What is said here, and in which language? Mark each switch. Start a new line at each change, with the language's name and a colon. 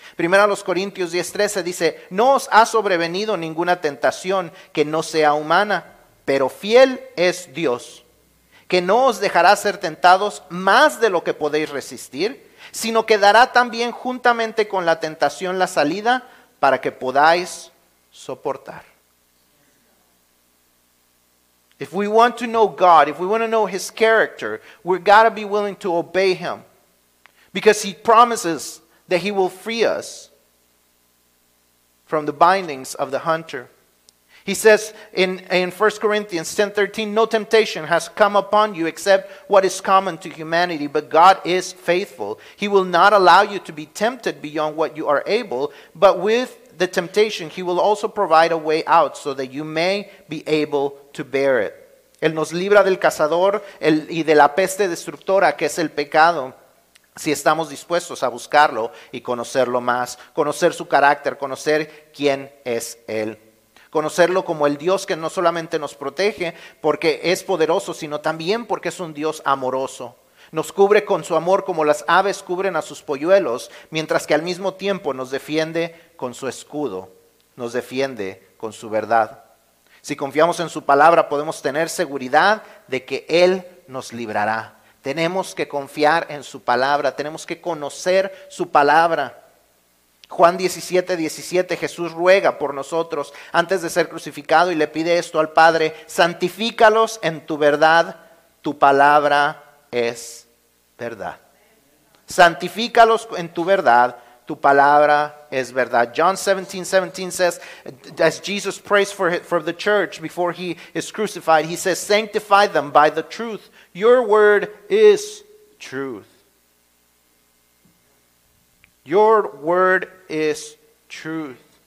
Spanish: Primero a los Corintios 10:13 dice, no os ha sobrevenido ninguna tentación que no sea humana, pero fiel es Dios, que no os dejará ser tentados más de lo que podéis resistir, sino que dará también juntamente con la tentación la salida para que podáis soportar.
English: If we want to know God, if we want to know His character, we've got to be willing to obey Him, because He promises that He will free us from the bindings of the hunter. He says in 1 Corinthians 10:13, no temptation has come upon you except what is common to humanity, but God is faithful. He will not allow you to be tempted beyond what you are able, but with the temptation He will also provide a way out so that you may be able to bear it.
Spanish: Él nos libra del cazador y de la peste destructora que es el pecado, si estamos dispuestos a buscarlo y conocerlo más, conocer su carácter, conocer quién es Él. Conocerlo como el Dios que no solamente nos protege porque es poderoso, sino también porque es un Dios amoroso. Nos cubre con su amor como las aves cubren a sus polluelos, mientras que al mismo tiempo nos defiende con su escudo, nos defiende con su verdad. Si confiamos en su palabra, podemos tener seguridad de que Él nos librará. Tenemos que confiar en su palabra, tenemos que conocer su palabra. Juan 17:17, Jesús ruega por nosotros antes de ser crucificado y le pide esto al Padre, santifícalos en tu verdad, tu palabra es verdad. Santifícalos en tu verdad, tu palabra es verdad.
English: John 17:17 says, as Jesus prays for the church before he is crucified, he says, sanctify them by the truth. Your word is truth. Your word is truth.